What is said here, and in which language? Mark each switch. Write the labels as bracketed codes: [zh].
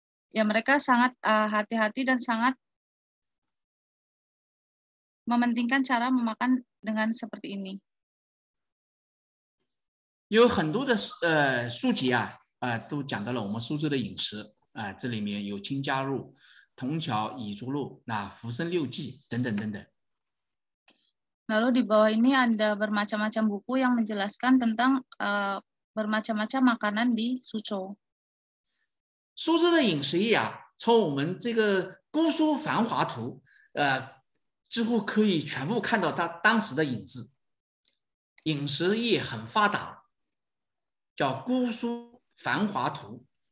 [id] Ya, mereka sangat hati-hati dan sangat mementingkan cara memakan dengan seperti ini. [zh] 有很多的书籍。都讲到了我们苏州的饮食，这里面有青家路、铜桥、蚁族路、福生六记等等等等。 [id] Lalu di bawah ini ada bermacam-macam buku yang menjelaskan tentang bermacam-macam makanan di Suzhou. [zh] Suzhou 的饮食业啊，从我们这个姑苏繁华图，几乎可以全部看到它当时的影子。饮食业很发达，叫姑苏繁华图。